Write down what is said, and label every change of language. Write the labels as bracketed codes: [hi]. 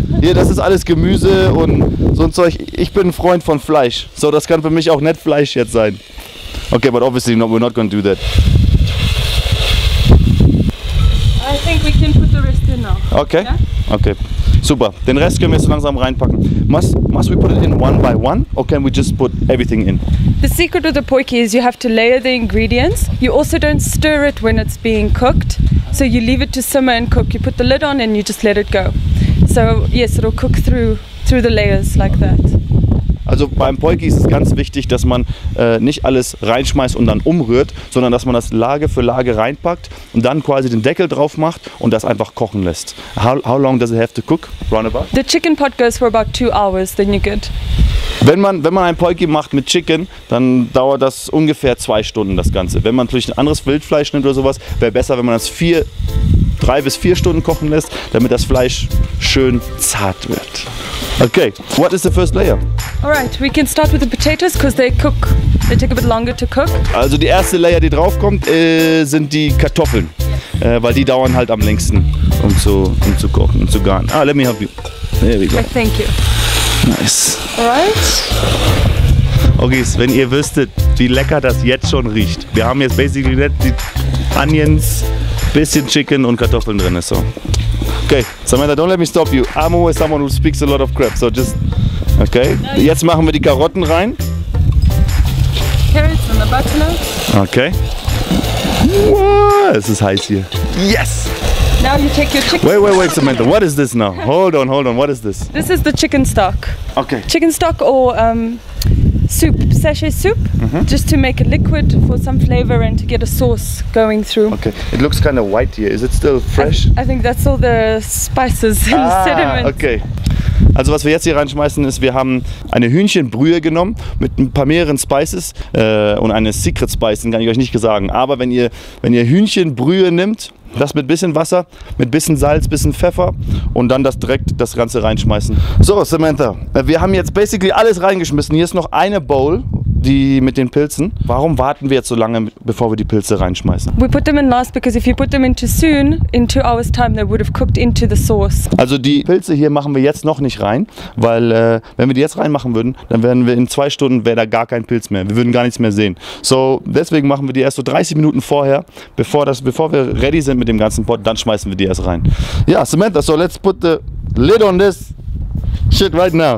[de] Hier, das ist alles Gemüse und so ein Zeug. Ich bin ein Freund von Fleisch. So, das kann für mich auch nicht Fleisch jetzt sein. [en] Okay, but obviously not, we're not gonna do that. I think we can put the rest in now. [de] Okay. Yeah? Okay. Super. Den Rest können wir jetzt langsam reinpacken. [en] Must we put it in one by one or can we just put everything in? The secret of the poiki is you have to layer the ingredients. You also don't stir it when it's being cooked. So you leave it to simmer and cook. You put the lid on and you just let it go. So yes, it'll cook through the layers like that. [de] Also beim Poiki ist es ganz wichtig, dass man nicht alles reinschmeißt und dann umrührt, sondern dass man das Lage für Lage reinpackt und dann quasi den Deckel drauf macht und das einfach kochen lässt. [en] How long does it have to cook, roundabout? The chicken pot goes for about 2 hours, then you're good. [de] Wenn man ein Poiki macht mit Chicken, dann dauert das ungefähr 2 Stunden, das Ganze. Wenn man natürlich ein anderes Wildfleisch nimmt oder sowas, wäre besser, wenn man das 3 bis 4 Stunden kochen lässt, damit das Fleisch schön zart wird. [en] Okay, what is the first layer? Alright, we can start with the potatoes, because they take a bit longer to cook. [de] Also die erste Layer, die drauf kommt, sind die Kartoffeln. Weil die dauern halt am längsten, um zu kochen, um zu garen. [en] Ah, let me help you. There we go. Okay, thank you. Nice. Alright. [de] Okay, wenn ihr wüsstet, wie lecker das jetzt schon riecht. Wir haben jetzt basically die Onions, bisschen Chicken und Kartoffeln drin, so. [en] Okay, Samantha, don't let me stop you. I'm always someone who speaks a lot of crap, so just... [de] Okay, jetzt machen wir die Karotten rein. [en] Carrots and the butternut. [de] Okay. Wow, es ist heiß hier. Yes! [en] Now you take your chicken... Wait, Samantha, what is this now? Hold on, what is this? This is the chicken stock. Okay. Chicken stock or soup, sachet soup. Mm-hmm. Just to make a liquid for some flavor and to get a sauce going through. Okay, it looks kind of white here. Is it still fresh? I think that's all the spices and the sediment. Okay. [de] Also was wir jetzt hier reinschmeißen ist, wir haben eine Hühnchenbrühe genommen mit ein paar mehreren Spices und eine Secret Spice, den kann ich euch nicht sagen. Aber wenn ihr Hühnchenbrühe nimmt, das mit bisschen Wasser, mit bisschen Salz, bisschen Pfeffer und dann das Ganze reinschmeißen. So, Samantha, wir haben jetzt basically alles reingeschmissen. Hier ist noch eine Bowl, die mit den Pilzen. Warum warten wir jetzt so lange, bevor wir die Pilze reinschmeißen? [en] We put them in last because if you put them in too soon, in 2 hours time, they would have cooked into the sauce. [de] Also die Pilze hier machen wir jetzt noch nicht rein, weil wenn wir die jetzt reinmachen würden, dann wären wir in 2 Stunden, wäre da gar kein Pilz mehr. Wir würden gar nichts mehr sehen. So, deswegen machen wir die erst so 30 Minuten vorher, bevor wir ready sind mit dem ganzen Pot, dann schmeißen wir die erst rein. [en] Ja, yeah, Samantha, so let's put the lid on this shit right now.